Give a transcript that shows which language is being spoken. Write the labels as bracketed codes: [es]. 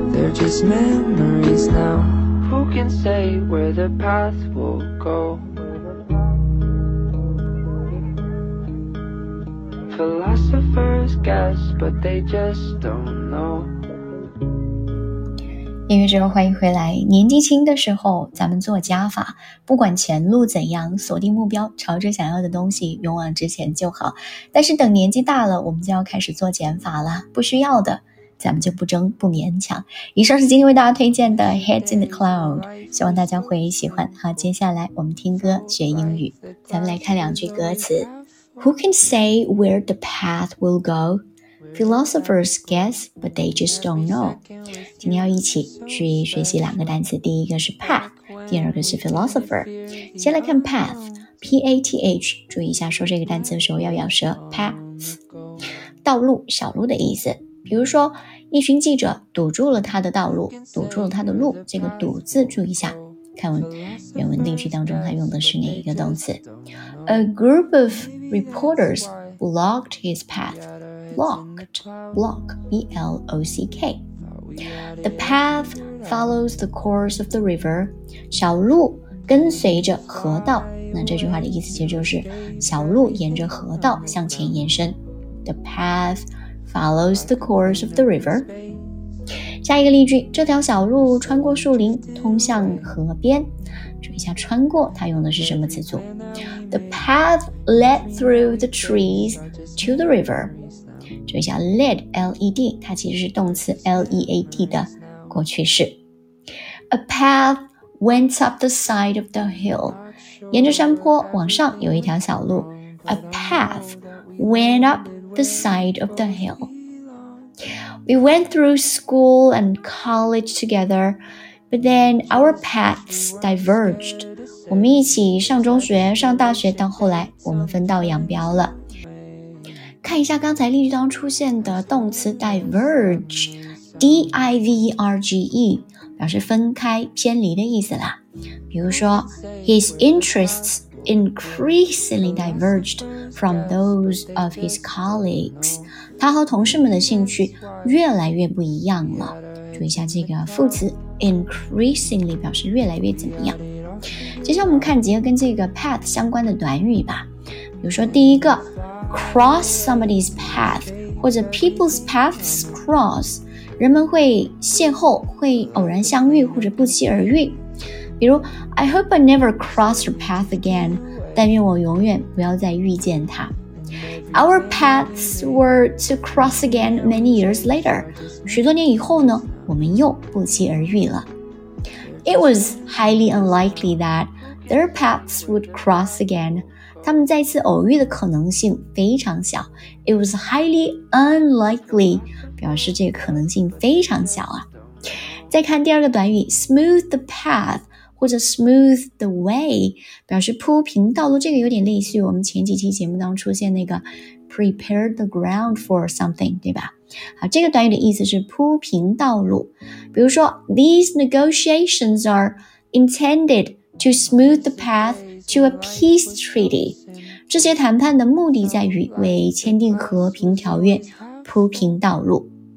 [en] Just memories now. Who can say where the path will go? Philosophers guess, but they just don't know. [zh] 音乐之后欢迎回来。年纪轻的时候咱们做加法，不管前路怎样，锁定目标，朝着想要的东西勇往直前就好。但是等年纪大了，我们就要开始做减法了，不需要的咱们就不争不勉强。以上是今天为大家推荐的 Heads in the Cloud， 希望大家会喜欢。好，接下来我们听歌学英语，咱们来看两句歌词。 [en] Who can say where the path will go? Philosophers guess, but they just don't know. [zh] 今天要一起去学习两个单词，第一个是 path， 第二个是 philosopher。先来看 path， P-A-T-H， 注意一下说这个单词的时候要咬舌， path， 道路，小路的意思。比如说一群记者堵住了他的道路，堵住了他的路，这个堵字注意一下，看原文例句当中他用的是哪一个动词。 [en] A group of reporters blocked his path. Blocked, block, B-L-O-C-K. The path follows the course of the river. [zh] 小路跟随着河道，那这句话的意思其实就是小路沿着河道向前延伸。 [en] The pathfollows the course of the river. [zh] 下一个例句，这条小路穿过树林通向河边。注意一下穿过它用的是什么词组 [en] The path led through the trees to the river [zh] 注意一下 led, L-E-D 它其实是动词 L-E-A-D 的过去式 [en] A path went up the side of the hill [zh] 沿着山坡往上有一条小路 [en] A path went up the side of the hillWe went through school and college together, but then our paths diverged. [zh] 我们一起上中学、上大学，但后来我们分道扬镳了。看一下刚才例句当出现的动词 diverge, D-I-V-E-R-G-E, 表示分开、偏离的意思啦。比如说 [en] his interests increasingly diverged from those of his colleagues. [zh] 他和同事们的兴趣越来越不一样了。注意一下这个副词 increasingly 表示越来越怎么样。接下来我们看几个跟这个 path 相关的短语吧。比如说第一个 cross somebody's path 或者 people's paths cross 人们会邂逅会偶然相遇或者不期而遇。 [en] 比如 I hope I never cross her path again [zh] 但愿我永远不要再遇见她。 [en] Our paths were to cross again many years later. [zh] 许多年以后呢，我们又不期而遇了。 [en] It was highly unlikely that their paths would cross again. [zh] 他们再次偶遇的可能性非常小。 [en] It was highly unlikely. [zh] 表示这个可能性非常小啊。再看第二个短语 ,smooth the path. 或者 smooth the way 表示铺平道路这个有点类似于我们前几期节目当中出现那个 prepare the ground for something 对吧好这个短语的意思是铺平道路比如说 [en] these negotiations are intended to smooth the path to a peace treaty [zh] 这些谈判的目的在于为签订和平条约铺平道路